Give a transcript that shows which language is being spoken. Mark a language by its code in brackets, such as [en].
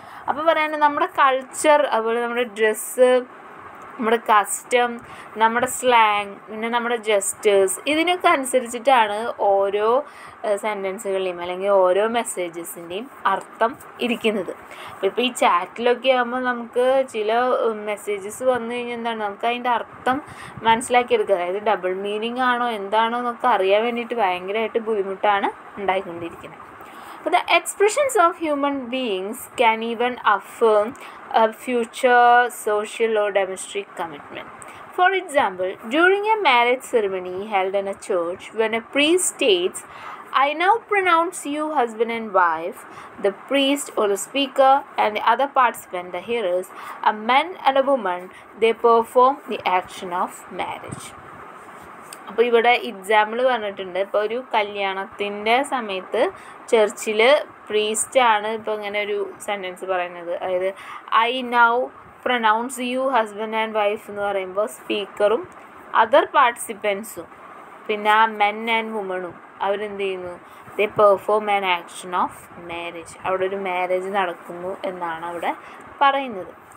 [ml] അപ്പോൾ പറയാനുള്ളത് നമ്മുടെ കൾച്ചർ, അതുപോലെ നമ്മുടെ ഡ്രസ്സ്, നമ്മുടെ കസ്റ്റം, നമ്മുടെ സ്ലാങ് പിന്നെ നമ്മുടെ ജസ്റ്റേഴ്സ് ഇതിനൊക്കെ അനുസരിച്ചിട്ടാണ് ഓരോ സെൻറ്റൻസുകളിലെയും അല്ലെങ്കിൽ ഓരോ മെസ്സേജസിൻ്റെയും അർത്ഥം ഇരിക്കുന്നത്. അപ്പോൾ ഇപ്പോൾ ഈ ചാറ്റിലൊക്കെ ആകുമ്പോൾ നമുക്ക് ചില മെസ്സേജസ് വന്നു കഴിഞ്ഞാൽ എന്താണ് നമുക്ക് അതിൻ്റെ അർത്ഥം മനസ്സിലാക്കിയെടുക്കുക, അതായത് ഡബിൾ മീനിങ് ആണോ എന്താണോ എന്നൊക്കെ അറിയാൻ വേണ്ടിയിട്ട് ഭയങ്കരമായിട്ട് ബുദ്ധിമുട്ടാണ് ഉണ്ടായിക്കൊണ്ടിരിക്കുന്നത്. [en] But the expressions of human beings can even affirm a future social or domestic commitment. For example, during a marriage ceremony held in a church, when a priest states, "I now pronounce you husband and wife," the priest or the speaker and the other participant, the hearers, a man and a woman, they perform the action of marriage. [ml] അപ്പോൾ ഇവിടെ example പറഞ്ഞിട്ടുണ്ട്. ഇപ്പോൾ ഒരു കല്യാണത്തിൻ്റെ സമയത്ത് ചർച്ചിൽ പ്രീസ്റ്റാണ് ഇപ്പോൾ ഇങ്ങനെ ഒരു സെൻറ്റൻസ് പറയുന്നത്, അതായത് [en] I now pronounce you husband and wife [ml] എന്ന് പറയുമ്പോൾ സ്പീക്കറും അതർ പാർട്ടിസിപ്പൻസും പിന്നെ ആ മെൻ ആൻഡ് വുമണും അവരെന്ത് ചെയ്യുന്നു, [en] they perform an action of marriage, [ml] അവിടെ ഒരു മാരേജ് നടക്കുന്നു എന്നാണ് അവിടെ പറയുന്നത്.